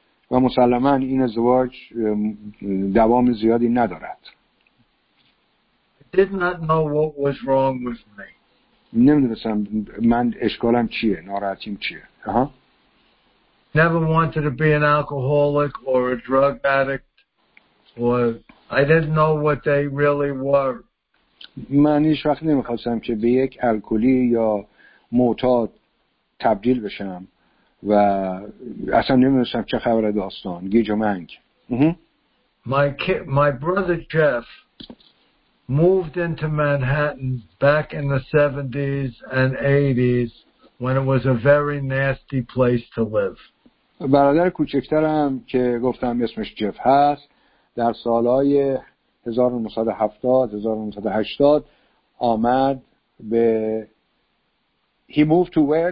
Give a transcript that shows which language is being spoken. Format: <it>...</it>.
<fa>و مسلماً این ازدواج دوام زیادی ندارد.</fa> <en>Did not know what was wrong with me.</en> <fa>نمیدونستم من اشکالم چیه، ناراحتیم چیه.</fa> <en>Never wanted to be an alcoholic or a drug addict or I didn't know what they really were.</en> <fa>من هیچ وقت نمیخواستم که به یک الکلی یا معتاد تبدیل بشم و اصلا نمیدونستم چه خبر داستان، گیج و منگ.</fa> <en>My brother Jeff moved into Manhattan back in the 70s and 80s when it was a very nasty place to live.</en> <fa>برادر کوچکترم که گفتم اسمش جف هست، در سالهای 1970-1980 آمد به</fa> <en>He moved to where?</en>